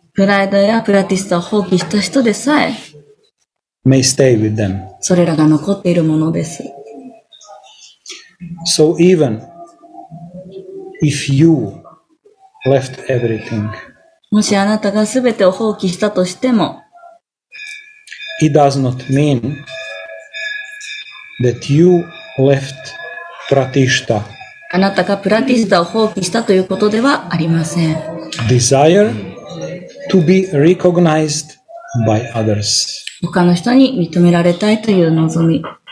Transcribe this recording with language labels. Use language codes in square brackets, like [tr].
[ja] プライドやプラティスタを放棄した人でさえ [en] may stay with them. [ja] それらが残っているものです。 [en] So even if you left everything, [ja] もしあなたがすべてを放棄したとしても [en] it does not mean that you left pratishtha. [ja] あなたがプラティスタを放棄したということではありません。 [en] Desire to be recognized by others. [ja] 他の人に認められたいという望み。